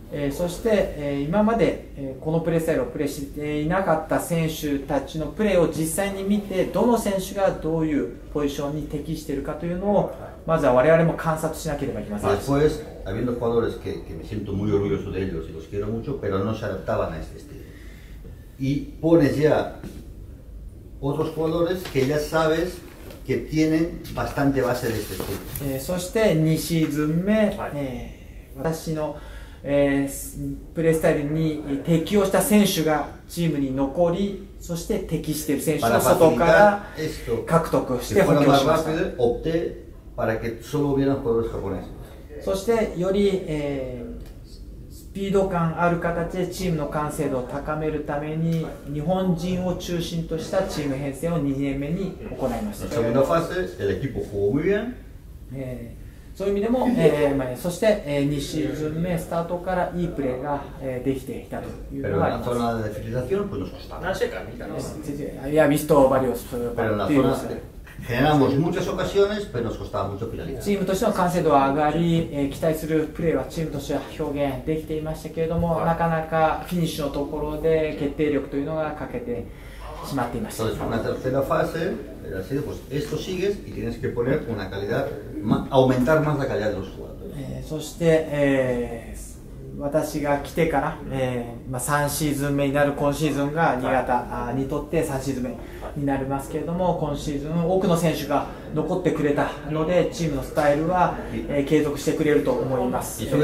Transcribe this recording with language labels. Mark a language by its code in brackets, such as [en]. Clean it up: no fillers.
[ja] そして、今まで、このプレースタイルをプレーしていなかった選手たちのプレーを実際に見て、どの選手がどういうポジションに適しているかというのをまずは我々も観察しなければいけません。 [es] Habiendo jugadores que me siento muy orgulloso de ellos y los quiero mucho, pero no se adaptaban a este estilo. Y pones ya otros jugadores que ya sabes que tienen bastante base de este estilo. [ja] そして2シーズン目、私の、プレースタイルに適応した選手がチームに残り、そして適している選手の外から獲得して補強しました。 [es] Opté para que solo hubieran jugadores japoneses. [ja] そしてより、スピード感ある形でチームの完成度を高めるために日本人を中心としたチーム編成を2年目に行いました。 [es] Segunda fase, el equipo jugó muy bien. [ja] そういう意味でも、そして、2シーズン目スタートからいいプレーが、できていたというのがあります。 [es] Pero la zona de fidelización pues nos costó. [ja] なぜかみたいな。 [es] いや、visto varios partidos. Generamos muchas ocasiones, pero nos costaba mucho finalizar. [ja] チームとしての完成度は上がり、期待するプレーはチームとしては表現できていましたけれども、なかなかフィニッシュのところで決定力というのが欠けてしまっていました。 [es] Entonces, una tercera fase, era así, pues, esto sigues y tienes que poner una calidad, aumentar más la calidad de los jugadores. [ja] そして、私が来てから、まあ、3シーズン目になる今シーズンが新潟にとって3シーズン目になりますけれども今シーズン多くの選手が残ってくれたのでチームのスタイルは、継続してくれると思います。